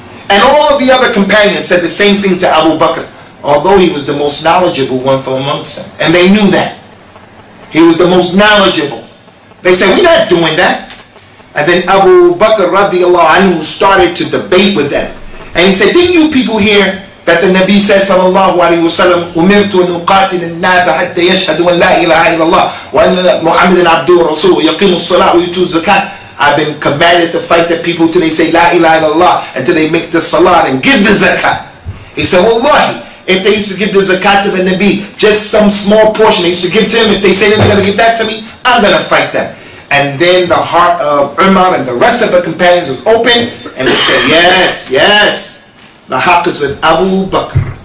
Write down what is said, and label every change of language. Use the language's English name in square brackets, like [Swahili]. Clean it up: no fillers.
[English] And all of the other companions said the same thing to Abu Bakr, although he was the most knowledgeable one from amongst them. And they knew that. He was the most knowledgeable. They said, we're not doing that. And then Abu Bakr radiallahu anhu started to debate with them. And he said, didn't you people hear that the Nabi said, sallallahu alayhi wa sallam, [Arabic] أُمِرْتُ وَنُقَاتِلِ النَّاسَ حَتَّى يَشْهَدُوا أَنْ لَا إِلَهَا إِلَى اللَّهِ وَأَنَّ مُحَمَّدًا عَبْدُهُ وَرَسُولُهُ يَقِيمُ الصَّلَاةَ وَيُؤْتِي الزَّكَاةَ. [English] I've been commanded to fight the people till they say, La ilaha illallah, until they make the salat and give the zakat. He said, wallahi, if they used to give the zakat to the Nabi, just some small portion they used to give to him, if they say they're going to give that to me, I'm going to fight them. And then the heart of Umar and the rest of the companions was open, and they said, yes, yes, the haqq is with Abu Bakr.